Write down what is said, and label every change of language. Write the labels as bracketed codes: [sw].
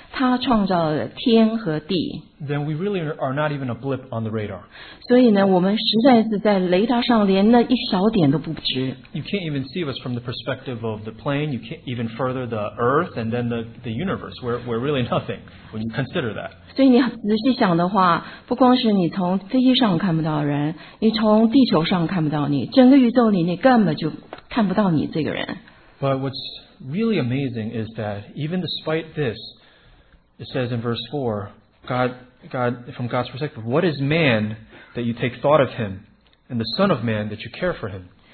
[zh] 但你如果从神的观点来看，他创造了天和地。 [en] Then we really are not even a blip on the radar. [zh] 所以呢，我们实在是在雷达上连那一小点都不值。 [en] You can't even see us from the perspective of the plane. You can't even further the Earth and then the universe. We're really nothing when you consider that. [zh] 所以你仔细想的话，不光是你从飞机上看不到人，你从地球上看不到你，整个宇宙里你根本就看不到你这个人。 [en] But what's really amazing is that even despite this, it says in verse 4, God, from God's perspective, what is man that you take thought of him, and the son of man that you care for him?